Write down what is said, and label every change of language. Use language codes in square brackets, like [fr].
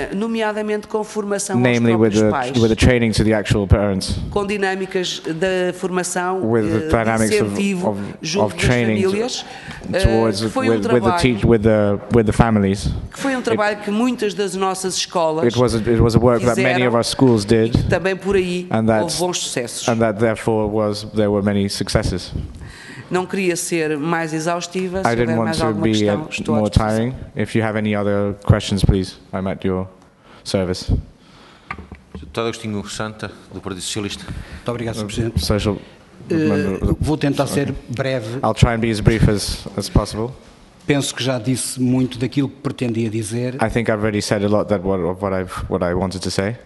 [pt] Nomeadamente com formação [en] with the training to the actual parents. [pt] Com dinâmicas da formação, incentivo, training das famílias, [en] with the families. [pt] Que foi um trabalho que muitas das nossas escolas [en] it was a work that many of our schools did. [pt] E também por aí houve bons sucessos. [en] And that therefore was there were many successes. [pt] Não queria ser mais exaustiva. Se houver mais alguma questão, estou à disposição. [en] If you have any other questions, please, I'm at your service. [pt] Deputado Agostinho Santa, do Partido Socialista. Muito obrigado, Sr. Presidente. Social. Vou tentar ser breve. [en] I'll try and be as brief as possible. [pt] Penso que já disse muito daquilo que pretendia dizer. [en] I think I've already said a lot what I wanted to say.